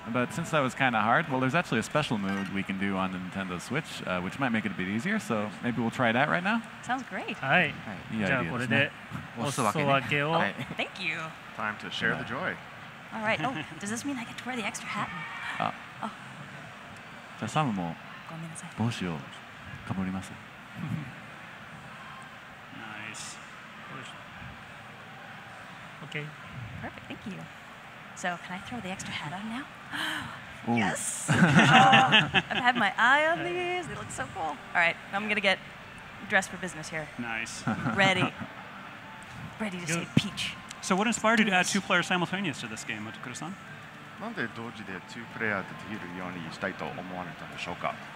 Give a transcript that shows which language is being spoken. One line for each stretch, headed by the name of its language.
English: But since that was kind of hard, well, there's actually a special mode we can do on the Nintendo Switch, which might make it a bit easier. So maybe we'll try that right now. Sounds great.
Japanese: はい。じゃあこれでおすそ分けを。
English: Thank you. Time to share the joy. All right. Oh, does this mean I get to wear the extra hat?
Japanese: じゃあサムも帽子をかぶります。
English: Nice. Okay. Perfect, thank you. So, can I throw the extra hat on now? Ooh. Yes! I've had my eye on these, they look so cool. All right, I'm gonna get dressed for business here. Nice. Ready. Ready to say peach. So what inspired you to add two player simultaneous to this game, Otokura-san?
Japanese: なんで同時で2プレイヤーでできるようにしたいと思われたんでしょうか？